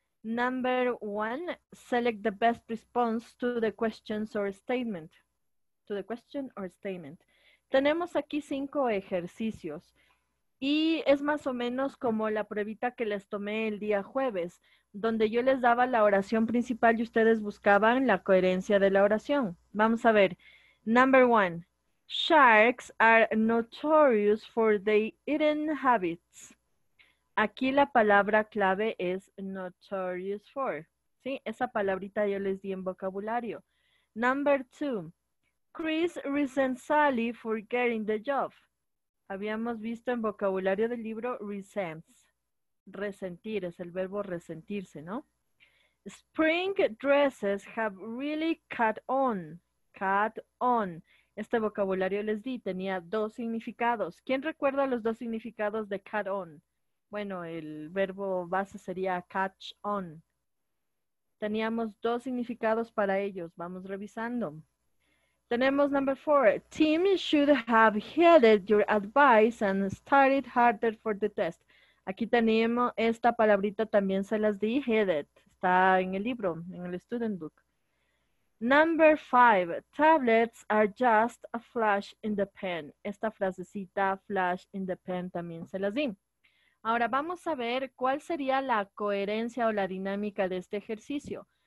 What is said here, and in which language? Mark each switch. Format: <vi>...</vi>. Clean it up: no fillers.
<en>Number one, select the best response to the questions or statement. To the question or statement.</en> <es>Tenemos aquí 5 ejercicios. Y es más o menos como la pruebita que les tomé el día jueves, donde yo les daba la oración principal y ustedes buscaban la coherencia de la oración. Vamos a ver.</es> <en>Number one, sharks are notorious for their eating habits.</en> <es>Aquí la palabra clave es notorious for, ¿sí? Esa palabrita yo les di en vocabulario.</es> <en>Number two, Chris resents Sally for getting the job.</en> <es>Habíamos visto en vocabulario del libro resents. Resentir, es el verbo resentirse, ¿no?</es> <en>Spring dresses have really caught on. Caught on.</en> <es>Este vocabulario les di, tenía 2 significados. ¿Quién recuerda los 2 significados de caught on? Bueno, el verbo base sería catch on. Teníamos 2 significados para ellos. Vamos revisando. Tenemos number 4.</es> <en>Tim should have heeded your advice and studied harder for the test.</en> <es>Aquí tenemos esta palabrita, también se las di, heeded. Está en el libro, en el student book.</es> <en>Number 5. Tablets are just a flash in the pan.</en> <es>Esta frasecita, flash in the pan, también se las di. Ahora vamos a ver cuál sería la coherencia o la dinámica de este ejercicio.</es>